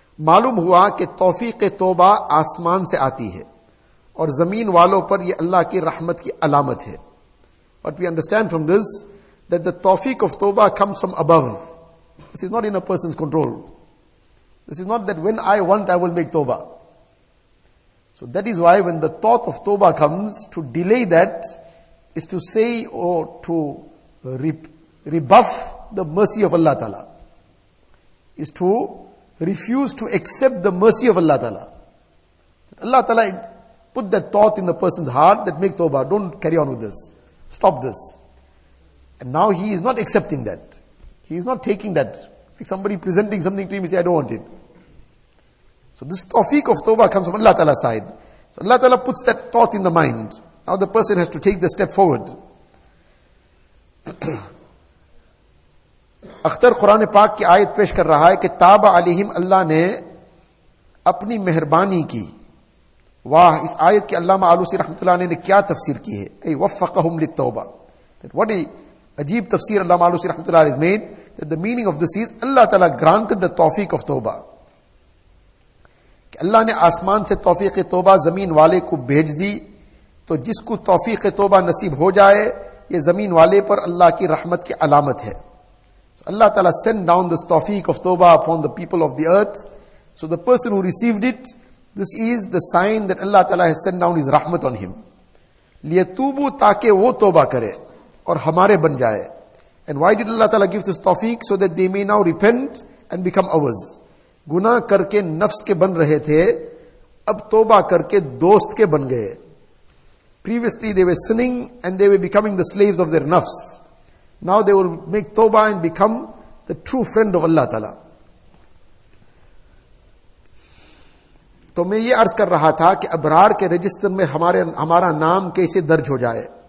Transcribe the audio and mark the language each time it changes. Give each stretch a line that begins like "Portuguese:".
Urdu: معلوم ہوا کہ توفیق توبہ آسمان سے آتی ہے اور زمین والوں پر یہ اللہ کی رحمت کی علامت ہے.
English: But we understand from this that the توفیق of توبہ comes from above. This is not in a person's control. This is not that when I want I will make توبہ. So that is why when the thought of توبہ comes, to delay that is to say or to rebuff the mercy of Allah Ta'ala. Is to refuse to accept the mercy of Allah Ta'ala. Allah Ta'ala put that thought in the person's heart that make tawbah, don't carry on with this, stop this. And now he is not accepting that. He is not taking that. Like somebody presenting something to him, he says, I don't want it. So this tawfiq of tawbah comes from Allah Ta'ala's side. So Allah Ta'ala puts that thought in the mind. Now the person has to take the step forward.
Urdu: Akhtar قرآن پاک کی آیت پیش کر رہا ہے کہ
Arabic: تاب علیہم
Urdu: اللہ نے اپنی مہربانی کی. واہ, اس آیت کی علامہ آلوسی رحمتہ اللہ نے کیا تفسیر کی ہے.
Arabic: اے وفقہم للتوبہ,
Urdu: what a عجیب تفسیر علامہ آلوسی رحمتہ اللہ
English: has made, that the meaning of this is
Urdu: اللہ تعالیٰ granted the توفیق of توبہ, کہ اللہ نے آسمان سے توفیق توبہ زمین والے کو بھیج دی, تو جس کو توفیق توبہ نصیب ہو جائے یہ زمین والے پر اللہ کی رحمت کی علامت ہے.
English: Allah Ta'ala sent down this tawfiq of tawbah upon the people of the earth. So the person who received it, this is the sign that Allah Ta'ala has sent down His rahmat on him.
Arabic: لِيَتُوبُ
Urdu: تَاكَ وَوْ تَوْبَا كَرَيْ اور ہمارے بن جائے.
English: And why did Allah Ta'ala give this tawfiq? So that they may now repent and become ours.
Urdu: گناہ کر کے نفس کے بن رہے تھے, اب توبہ کر کے دوست کے بن گئے.
English: Previously they were sinning and they were becoming the slaves of their nafs. Now they will make tawbah and become the true friend of Allah Ta'ala.
Urdu: تو میں یہ عرض کر رہا تھا کہ ابرار کے رجسٹر میں ہمارا نام کیسے درج ہو جائے.